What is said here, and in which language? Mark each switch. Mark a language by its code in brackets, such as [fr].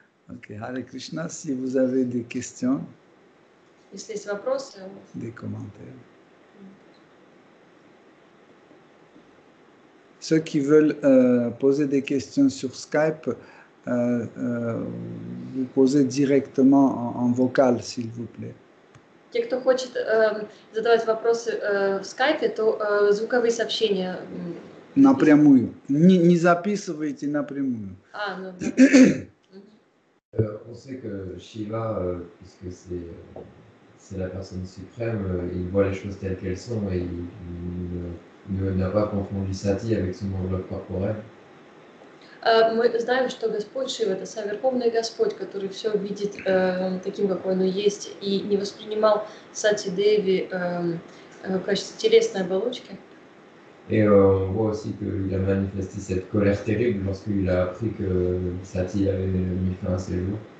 [fr] Ok, Hare Krishna, si vous avez des questions, des commentaires. Ceux qui veulent poser des questions sur Skype, vous posez directement en vocal, s'il vous plaît. [ru] Те, кто хочет задавать вопросы в Скайпе, то звуковые сообщения. Напрямую. Не записывайте напрямую. [fr] On sait que Shiva, puisque c'est la personne suprême, il voit les choses telles qu'elles sont et il n'a pas confondu Sati avec son enveloppe corporelle. [ru] Мы знаем, что Господь Шива — это сам Верховный Господь, который все видит таким, какой оно есть, и не воспринимал Сати Деви в качестве телесной оболочки. И мы видим, что он манифестировал эту колеру [fr] terrible, [ru] когда он узнал, что Сати [fr] avait mis fin à ses jours.